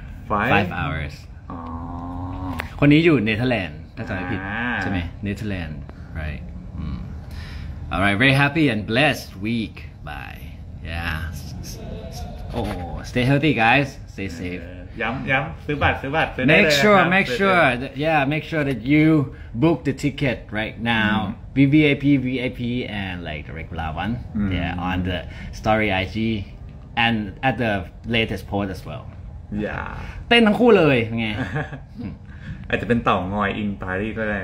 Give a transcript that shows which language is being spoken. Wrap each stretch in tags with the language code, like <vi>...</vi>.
<en>five hours</en> <th>อ๋อ คนนี้อยู่เนเธอร์แลนด์ถ้าจำไม่ผิดใช่ไหมเนเธอร์แลนด์</th> <en>right All right very happy and blessed week bye yeahOh, stay healthy, guys. Stay safe.</en> <th>ซื้อบัตร</th> <en>Make sure. Yeah, make sure that you book the ticket right now. VVIP, VIP, and like the regular one. Yeah, on the story IG, and at the latest post as well. Yeah.</en> <th>เต้นทั้งคู่เลยไง อาจจะเป็นเต่างอยอินปารีสก็ได้</th>